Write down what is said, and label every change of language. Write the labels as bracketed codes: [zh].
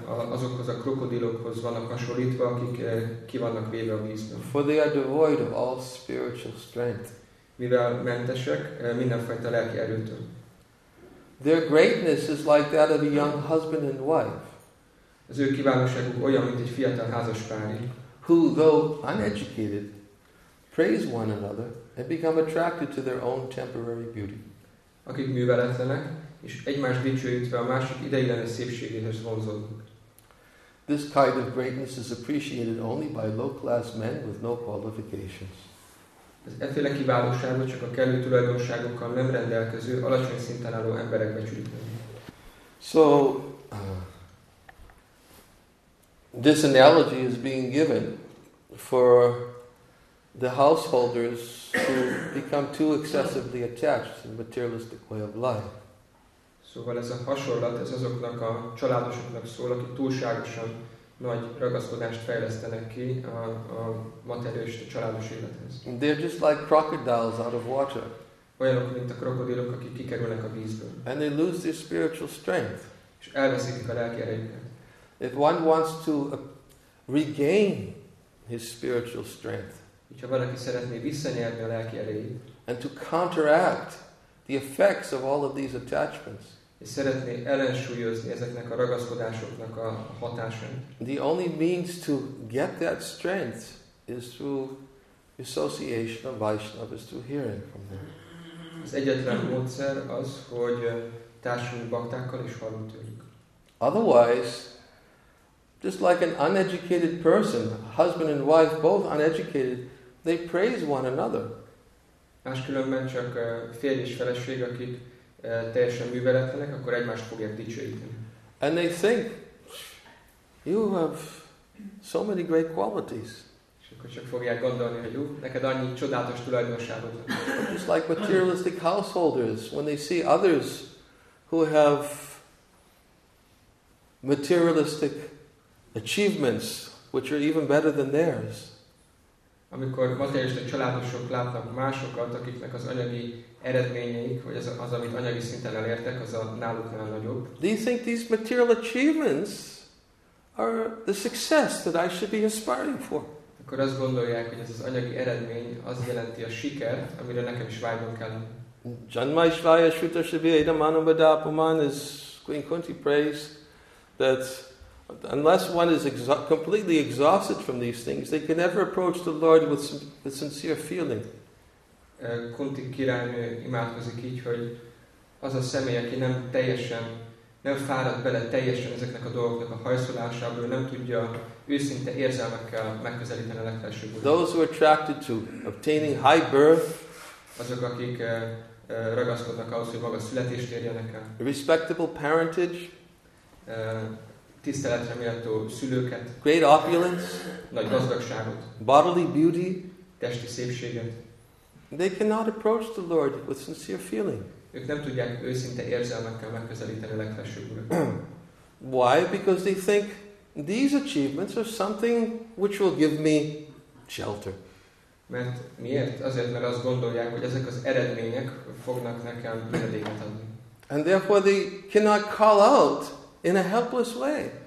[hu] Azokhoz a krokodilokhoz vannak hasonlítva, akik ki vannak véve a vízben. [en] For they are devoid of all spiritual strength. [hu] Mivel mentesek mindenfajta lelki erőtől. [en] Their greatness is like that of a young husband and wife. [hu] Az ő kiválóságuk olyan, mint egy fiatal házaspári. [en] Who, though uneducated, praise one another and become attracted to their own temporary beauty. [hu] Akik műveletlenek, és egymás dicsőítve a másik ideiglenes szépségéhez vonzódnak. [en] This kind of greatness is appreciated only by low-class men with no qualifications. [hu] Ez efféle kiválóságot csak a kellő tulajdonságokkal nem rendelkező, alacsony szinten álló emberek becsülik. [en] So, this analogy is being given for the householders who become too excessively attached to the materialistic way of life. [hu] Szóval ez a hasonlat, ez azoknak a családosoknak szól, akik túlságosan nagy ragaszkodást fejlesztenek ki a materialista családos élethez. [en] They're just like crocodiles out of water. [hu] Olyanok, mint a krokodilok, akik kikerülnek a vízből. [en] And they lose their spiritual strength. [hu] És elveszik a lelki erejüket. [en] If one wants to regain his spiritual strength, [hu] Hogyha valaki szeretné visszanyerni a lelki erejét, [en] and to counteract the effects of all of these attachments, [hu] és szeretné ellensúlyozni ezeknek a ragaszkodásoknak a hatásait. [en] The only means to get that strength is through association of Vaishnavas, through hearing from them. [hu] Az egyetlen módszer az, hogy társulunk baktákkal és hallunk tőlük. [en] Otherwise, just like an uneducated person, husband and wife, both uneducated, they praise one another. [hu] Máskülönben csak férj és feleség, akik teljesen műveletlenek, akkor egymást fogják dicsőíteni. [en] And they think, you have so many great qualities. [hu] És akkor csak fogják gondolni, hogy jó, neked annyi csodálatos tulajdonságod. [en] Just like materialistic householders, when they see others who have materialistic achievements which are even better than theirs. [hu] Amikor materialista családosok látnak másokat, akiknek az anyagi eredményeik, vagy az amit anyagi szinten elértek, az a náluknál nagyobb. [en] Do you think these material achievements are the success that I should be aspiring for? [hu] Akkor azt gondolják, hogy ez az anyagi eredmény az jelenti a sikert, amire nekem is vágyom kell. [sa] Janmaishvaya Shruta Shavya Idamanubadapuman [en] is Queen Kunti praise that unless one is completely exhausted from these things, they can never approach the Lord with a sincere feeling. [hu] Kunti királynő imádkozik így, hogy az a személy, aki nem teljesen, nem fáradt bele teljesen ezeknek a dolgoknak a hajszolásából, nem tudja őszinte érzelmekkel megközelíteni a legfelső Urat. [en] Those who are attracted to obtaining high birth, [hu] azok, akik ragaszkodnak ahhoz, hogy maga születést érjenek el. [en] Respectable parentage, [hu] tiszteletre méltó szülőket, [en] great opulence, [hu] nagy gazdagságot, [en] bodily beauty, [hu] testi szépséget. [en] They cannot approach the Lord with sincere feeling. [hu] Ők nem tudják őszinte érzelmekkel megközelíteni a legfelsőbb Urat. [en] Why? Because they think these achievements are something which will give me shelter. [hu] Mert miért? Azért, mert azt gondolják, hogy ezek az eredmények fognak nekem menedéket adni. [en] And therefore they cannot call out in a helpless way.